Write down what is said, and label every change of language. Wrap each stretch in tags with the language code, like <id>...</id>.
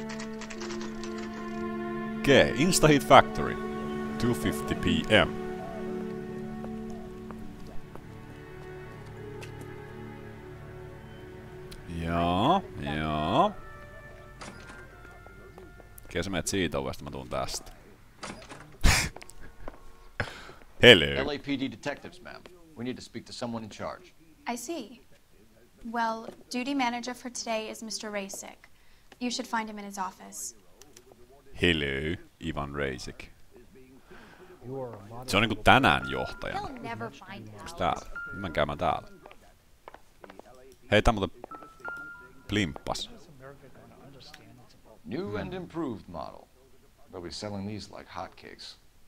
<en>Okei, okay, Instaheat Factory, 2:50 p.m.</en> <fi>Joo, joo. Okei, sä menet siitä ovesta, mä tuun tästä.</fi> <en>Hello. LAPD detectives, ma'am. We need to speak to someone in charge. I see. Well, duty manager for today is Mr. Rasik. You should find him in his office. Hello, Ivan Rasik.</en> <fi>Se on niinku tänään johtaja. Onks täällä? Mennään käymään täällä. Hei, tää muuten plimppas.</fi> <en>New and improved model. They'll be selling these like hotcakes.</en>